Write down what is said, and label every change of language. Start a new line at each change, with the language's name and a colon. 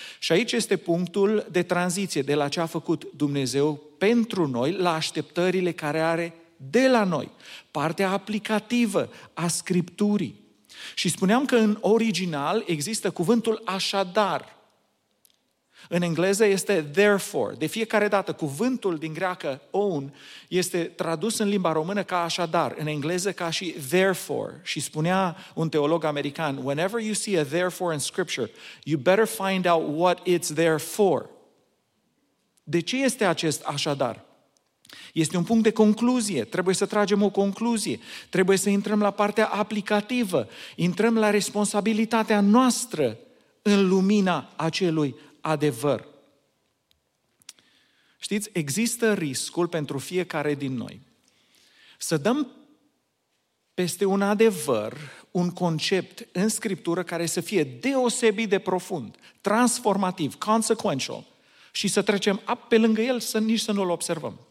Romanian: Și aici este punctul de tranziție, de la ce a făcut Dumnezeu pentru noi, la așteptările care are de la noi, partea aplicativă a Scripturii. Și spuneam că în original există cuvântul așadar. În engleză este therefore. De fiecare dată, cuvântul din greacă own este tradus în limba română ca așadar, în engleză ca și therefore. Și spunea un teolog american,
English: whenever you see a therefore in scripture, you better find out what it's there for.
Romanian: De ce este acest așadar? Este un punct de concluzie, trebuie să tragem o concluzie, trebuie să intrăm la partea aplicativă, intrăm la responsabilitatea noastră în lumina acelui adevăr. Știți, există riscul pentru fiecare din noi să dăm peste un adevăr, un concept în Scriptură care să fie deosebit de profund, transformativ, consequential, și să trecem pe lângă el să nici să nu-l observăm.